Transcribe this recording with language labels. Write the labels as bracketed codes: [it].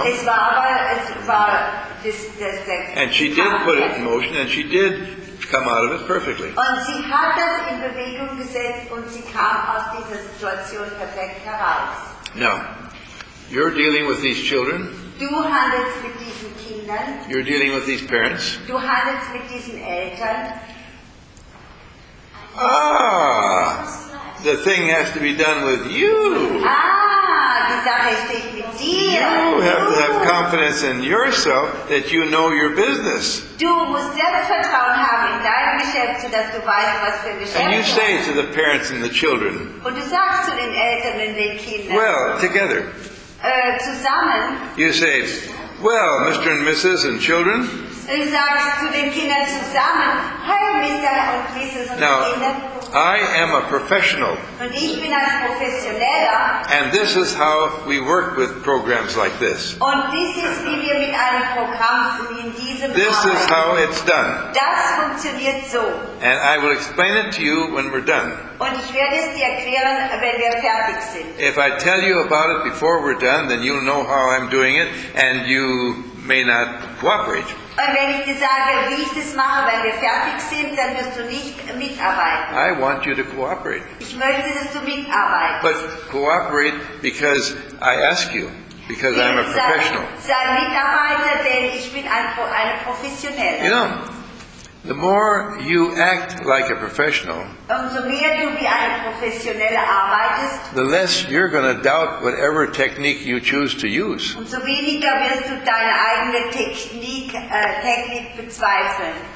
[en] And she did put it in motion, and she did come out of it perfectly. [de] Und sie hat das in Bewegung gesetzt, und sie kam aus dieser Situation perfekt heraus. [en] Now, you're dealing with these children. [de] Du handelst mit diesen Kindern. [en] You're dealing with these parents. [de] Du handelst mit diesen Eltern. [en] Ah, the thing has to be done with you. [de] Die Sache steht mit dir. [en] You have to have confidence in yourself that you know your business. [de] Du musst Selbstvertrauen haben in deinem Geschäft, sodass du weißt, was für ein Geschäft. [en] And you say to the parents and the children. [de] Und du sagst zu den Eltern und den Kindern. [en] Well, together. [de] Zusammen. [en] You say, well, Mr. and Mrs. and children. [de] Du sagst zu den Kindern zusammen, hey, Mr. und Mrs. und [en] now, [de] Kinder. [en] I am a professional. [de] Und ich bin ein Professioneller. [en] And this is how we work with programs like this. [de] Und das ist, wie wir mit einem Programm in diesem [en] This [de] Programm. [en] Is how it's done. [de] Das funktioniert so. [en] And I will explain it to you when we're done. [de] Und ich werde es dir erklären, wenn wir fertig sind. [en] If I tell you about it before we're done, then you'll know how I'm doing it, and you may not cooperate. [de] Und wenn ich dir sage, wie ich das mache, wenn wir fertig sind, dann wirst du nicht mitarbeiten. [en] I want you to cooperate. [de] Ich möchte, dass du mitarbeitest. [en] But cooperate because I ask you, because I'm a professional. [de] Sei Mitarbeiter, denn ich bin eine Professionelle. [en] You know, the more you act like a professional, [de] umso mehr du wie eine Professionelle arbeitest, [en] the less you're going to doubt whatever technique you choose to use. [de] Umso weniger wirst du deine eigene Technik bezweifeln.